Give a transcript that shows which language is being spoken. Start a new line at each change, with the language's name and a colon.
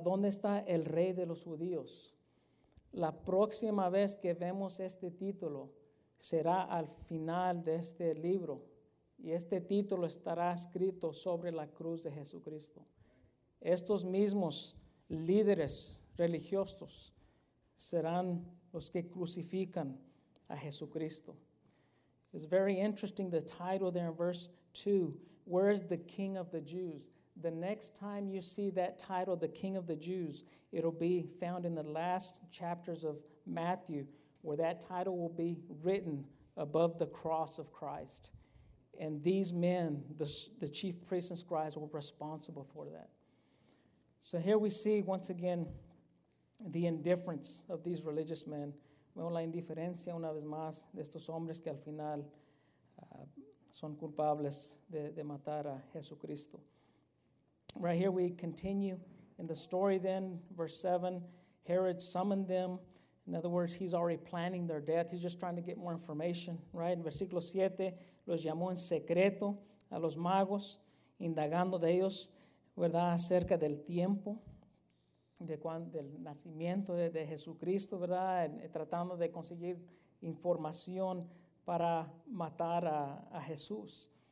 Spanish: ¿Dónde está el rey de los judíos? La próxima vez que vemos este título será al final de este libro. Y este título estará escrito sobre la cruz de Jesucristo. Estos mismos líderes religiosos serán los que crucifican a Jesucristo.
English: It's very interesting, the title there in verse 2, where is the King of the Jews? The next time you see that title, the King of the Jews, it'll be found in the last chapters of Matthew, where that title will be written above the cross of Christ. And these men, the chief priests and scribes, were responsible for that. So here we see, once again, the indifference of these religious men. Vemos la indiferencia, una vez más, de estos hombres que al final son culpables de matar a Jesucristo. Right here we continue in the story then, verse 7. Herod summoned them. In other words, he's already planning their death. He's just trying to get more information, right? In
Spanish: versículo 7, los llamó en secreto a los magos, indagando de ellos, ¿verdad?, acerca del tiempo, del nacimiento de Jesucristo, ¿verdad?, tratando de conseguir información para matar a Jesús.